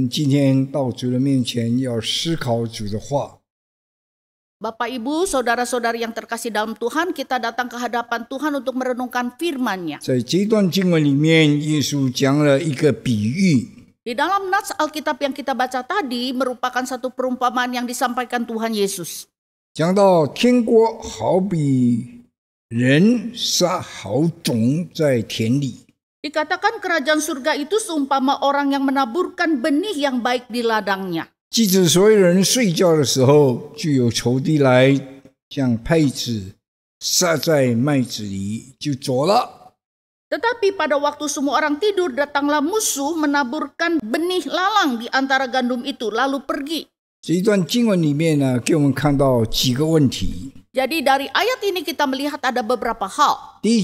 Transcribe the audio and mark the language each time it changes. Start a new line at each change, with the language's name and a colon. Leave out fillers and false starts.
Chinese: 亲爱的弟兄姊妹，我们今天到主的面前要思考主的话。
Indonesian: Bapak, Ibu, Saudara-saudari yang terkasih dalam Tuhan, kita datang ke hadapan Tuhan untuk merenungkan firman-Nya.
Chinese: 在这段经文里面，耶稣讲了一个比喻。
Indonesian: Di dalam nats Alkitab yang kita baca tadi merupakan satu perumpamaan yang disampaikan Tuhan Yesus.
Chinese: 讲到天国好比人撒好种在田里.
Indonesian: Dikatakan kerajaan surga itu seumpama orang yang menaburkan benih yang baik di ladangnya.
Chinese: 即使所有人睡觉的时候，就有仇敌来将稗子撒在麦子里，就走了。
Indonesian: Tetapi pada waktu semua orang tidur, datanglah musuh menaburkan benih lalang di antara gandum itu, lalu pergi.
Chinese: 这一段经文里面呢，给我们看到几个问题。
Indonesian: Jadi dari ayat ini kita melihat ada beberapa hal.